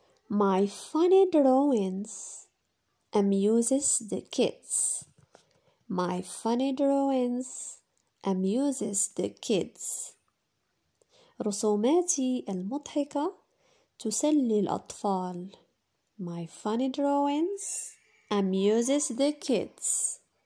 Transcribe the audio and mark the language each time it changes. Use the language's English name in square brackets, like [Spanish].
[English] My funny drawings amuses the kids. My funny drawings amuses the kids. [Arabic] رسوماتي المضحكة تسلي الأطفال. [English] My funny drawings amuses the kids.